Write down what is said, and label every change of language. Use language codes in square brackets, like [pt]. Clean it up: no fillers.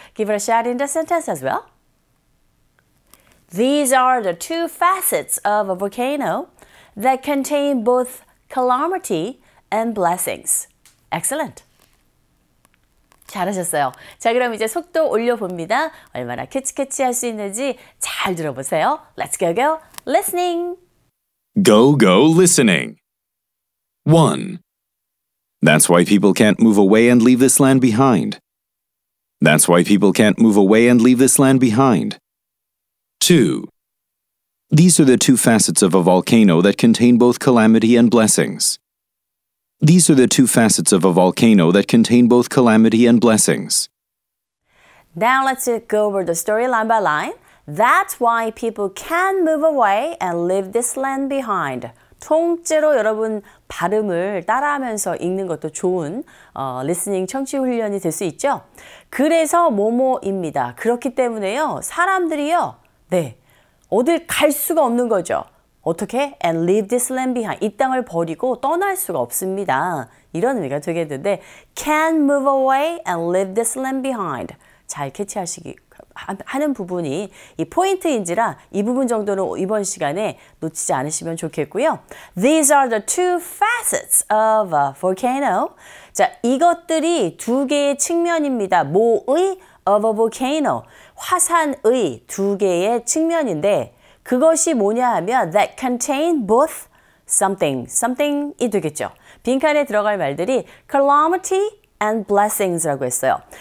[en] Give it a shot in the sentence as well. These are the two facets of a volcano that contain both calamity and blessings. Excellent. [ko] 잘하셨어요. 자, 그럼 이제 속도 올려봅니다. 얼마나 캐치캐치 할 수 있는지 잘 들어보세요. [en] Let's go, go, listening. Go, go, listening. 1. That's why people can't move away and leave this land behind. That's why people can't move away and leave this land behind. 2. These are the two facets of a volcano that contain both calamity and blessings. These are the two facets of a volcano that contain both calamity and blessings. Now let's go over the story line by line. That's why people can move away and leave this land behind. [ko] 통째로 여러분 발음을 따라하면서 읽는 것도 좋은 리스닝 청취 훈련이 될 수 있죠. 그래서 뭐뭐입니다. 그렇기 때문에요. 사람들이요. 네. 어딜 갈 수가 없는 거죠. 어떻게? [en] And leave this land behind. [ko] 이 땅을 버리고 떠날 수가 없습니다. 이런 의미가 되겠는데 [en] can move away and leave this land behind. [ko] 잘 캐치하시기 하는 부분이 이 포인트인지라 이 부분 정도는 이번 시간에 놓치지 않으시면 좋겠고요. [en] These are the two facets of a volcano. [ko] 자, 이것들이 두 개의 측면입니다. 뭐의 [en] of a volcano. [ko] 화산의 두 개의 측면인데 그것이 뭐냐 하면 [en] that contain both something, something [ko] 이 되겠죠. 빈칸에 들어갈 말들이 [en] calamity and blessings [ko] 라고 했어요.